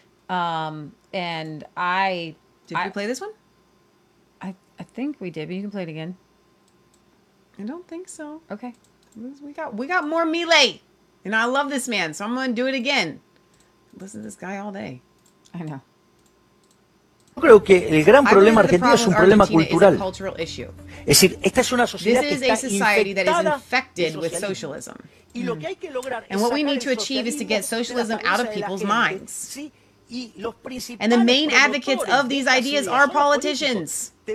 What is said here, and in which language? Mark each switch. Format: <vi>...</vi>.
<en>We play this one? I think we did, but you can play it again. I don't think so. Okay. We got more Milei, and I love this man, so I'm going to do it again. Listen to this guy all day. I know.</en> <es>Yo creo que el gran problema argentino es un problema cultural. Es decir, esta es una sociedad que está infectada con socialismo.</es> <en>And what we need to achieve is to get socialism out of people's minds. And the main advocates of these ideas are politicians.</en>